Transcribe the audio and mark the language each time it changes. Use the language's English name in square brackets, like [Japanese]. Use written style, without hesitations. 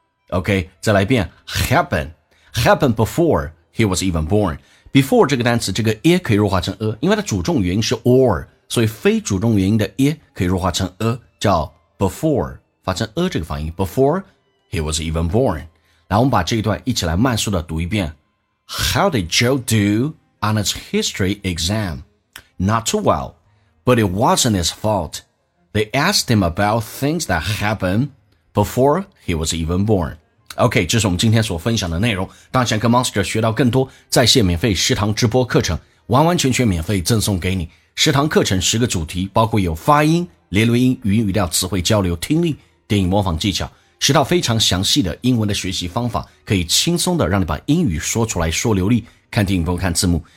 [English] OK, [Chinese] 再来一遍 [English] happen before he was even born. [Chinese] before 这个单词，这个 e 可以弱化成 a, 因为它主重元音是 or, 所以非主重元音的 e 可以弱化成 a, 叫 before. 发成 a 这个发音 [English] before he was even born. [Chinese] 来我们把这一段一起来慢速的读一遍。 [English] How did Joe do on his history exam? Not too well, but it wasn't his fault. They asked him about things that happened before he was even born. [Chinese] OK, 这是我们今天所分享的内容。当想跟 Monster 学到更多在线免费食堂直播课程，完完全全免费赠送给你。食堂课程十个主题，包括有发音、连轮音、语音语调、词汇交流、听力、电影模仿技巧，十套非常详细的英文的学习方法，可以轻松的让你把英语说出来说流利，看电影不用看字幕。